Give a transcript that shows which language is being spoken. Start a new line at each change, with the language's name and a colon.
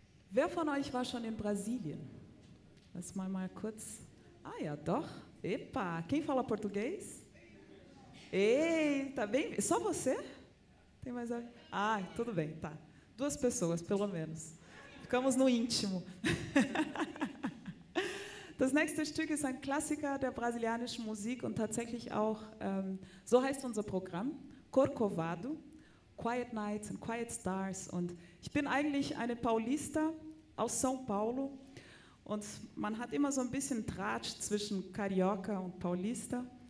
German: Wer von euch war schon in Brasilien? Lass mal kurz. Ah ja, doch.
Portuguese: Epa, quem fala português? Eita, bem. Só você? Tem mais alguém? Ah, tudo bem, tá. Duas pessoas, pelo menos. Ficamos no íntimo.
German: Das nächste Stück ist ein Klassiker der brasilianischen Musik und tatsächlich auch, so heißt unser Programm, Corcovado, Quiet Nights and Quiet Stars. Und ich bin eigentlich eine Paulista aus São Paulo und man hat immer so ein bisschen Tratsch zwischen Carioca und Paulista.